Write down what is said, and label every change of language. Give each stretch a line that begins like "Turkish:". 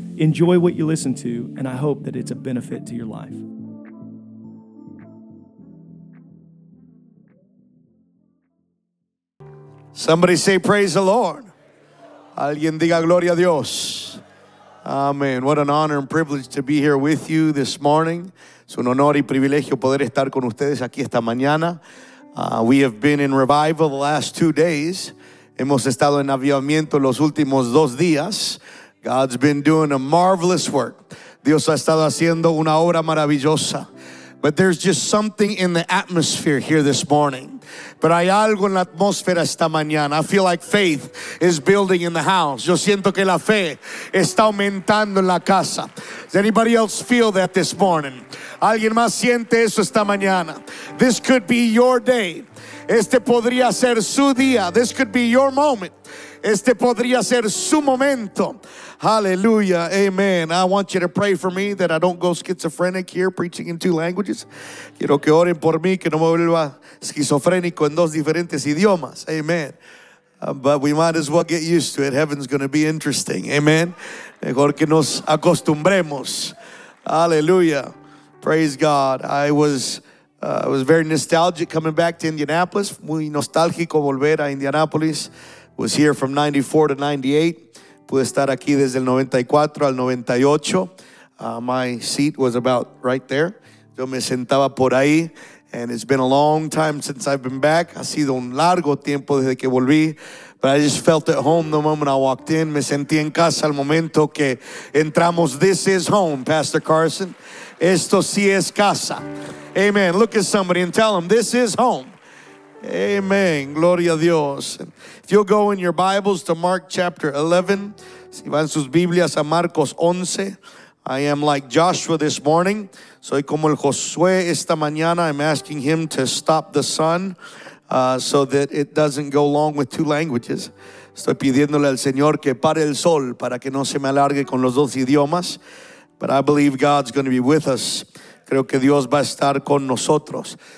English: Enjoy what you listen to, and I hope that it's a benefit to your life. Somebody say praise the Lord.
Spanish: Alguien diga gloria a Dios.
English: Amen. What an honor and privilege to be here with you this morning.
Spanish: Es un honor y privilegio poder estar con ustedes aquí esta mañana.
English: We have been in revival the last 2 days.
Spanish: Hemos estado en avivamiento los últimos 2 días.
English: God's been doing a marvelous work.
Spanish: Dios ha estado haciendo una obra maravillosa.
English: But there's just something in the atmosphere here this morning.
Spanish: Pero hay algo en la atmósfera esta mañana.
English: I feel like faith is building in the house.
Spanish: Yo siento que la fe está aumentando en la casa.
English: Does anybody else feel that this morning?
Spanish: ¿Alguien más siente eso esta mañana?
English: This could be your day.
Spanish: Este podría ser su día.
English: This could be your moment.
Spanish: Este podría ser su momento.
English: Hallelujah. Amen. I want you to pray for me that I don't go schizophrenic here preaching in 2 languages.
Spanish: Quiero que oren por mí que no me vuelva esquizofrénico en 2 diferentes idiomas. Amen.
English: But we might as well get used to it. Heaven's going to be interesting. Amen.
Spanish: Mejor que nos acostumbremos.
English: Hallelujah. Praise God. I was very nostalgic coming back to Indianapolis.
Spanish: Muy nostálgico volver a Indianapolis.
English: Was here from 94 to 98.
Spanish: Pude estar aquí desde el 94 al 98.
English: My seat was about right there.
Spanish: Yo me sentaba por ahí.
English: And it's been a long time since I've been back.
Spanish: Ha sido un largo tiempo desde que volví.
English: But I just felt at home the moment I walked in.
Spanish: Me sentí en casa al momento que entramos.
English: This is home, Pastor Carson.
Spanish: Esto sí es casa.
English: Amen. Look at somebody and tell them, this is home. Amen.
Spanish: Gloria a Dios.
English: If you'll go in your Bibles to Mark chapter 11,
Spanish: si van sus Biblias a Marcos 11,
English: I am like Joshua this morning.
Spanish: Soy como el Josué esta mañana.
English: I'm asking him to stop the sun so that it doesn't go long with 2 languages.
Spanish: Estoy pidiéndole al Señor que pare el sol para que no se me alargue con los 2 idiomas.
English: But I believe God's going to be with us.
Spanish: Creo que Dios va a estar con nosotros.